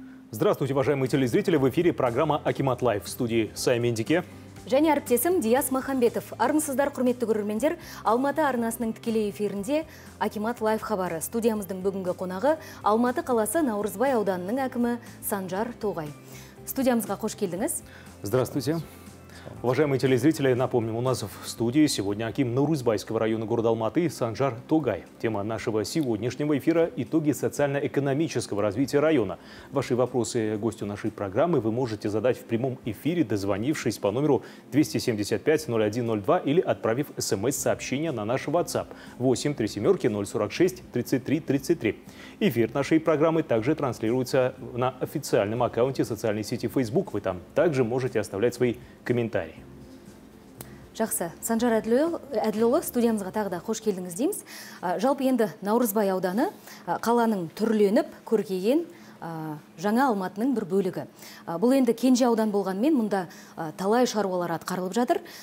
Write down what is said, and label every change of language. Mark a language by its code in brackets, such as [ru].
[ru] Здравствуйте, уважаемые телезрители. В эфире программа «Акимат Лайф» в студии Сайм Индике. [kk] Және әріптесім Диас Махамбетов. Армысыздар, құрметті көрермендер, Алматы арнасының тікелей эфирінде «Акимат Лайф» хабары. Студиямыздың бүгінгі қонағы Алматы қаласы Наурызбай ауданының әкімі Санжар Тоғай. Студиямызға қош келдіңіз. [ru] Здравствуйте. Уважаемые телезрители, напомним, у нас в студии сегодня аким Наурызбайского района города Алматы Санжар Тогай. Тема нашего сегодняшнего эфира – итоги социально-экономического развития района. Ваши вопросы гостю нашей программы вы можете задать в прямом эфире, дозвонившись по номеру 275-0102 или отправив смс-сообщение на наш WhatsApp 837-046-3333. Эфир нашей программы также транслируется на официальном аккаунте социальной сети Facebook. Вы там также можете оставлять свои комментарии. [kk] Жақсы. Санжар Әділұлы, студиямызға тағы да қош келдіңіз дейміз. Жалпы енді Наурызбай ауданы қаланың түрленіп көркейген жаңа Алматының бір бөлігі. Бұл енді кенже аудан болғанмен мұнда талай шаруалар атқарылып жатыр.